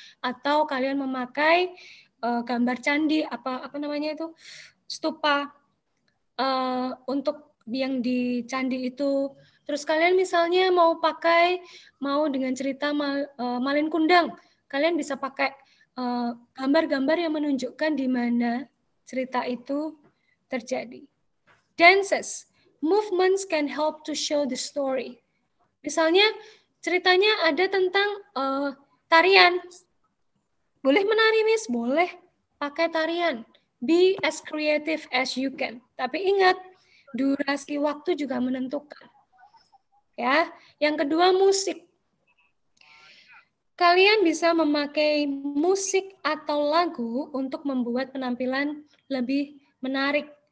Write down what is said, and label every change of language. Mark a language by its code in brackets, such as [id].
[id] Atau kalian memakai gambar candi, apa namanya itu, stupa untuk yang di candi itu. Terus kalian misalnya mau dengan cerita Malin Kundang, kalian bisa pakai gambar-gambar yang menunjukkan di mana cerita itu terjadi. [en] Dances, movements can help to show the story. [id] Misalnya ceritanya ada tentang tarian. Boleh menari, Miss? Boleh. Pakai tarian. [en] Be as creative as you can. [id] Tapi ingat, durasi waktu juga menentukan. Ya, yang kedua musik. Kalian bisa memakai musik atau lagu untuk membuat penampilan lebih menarik.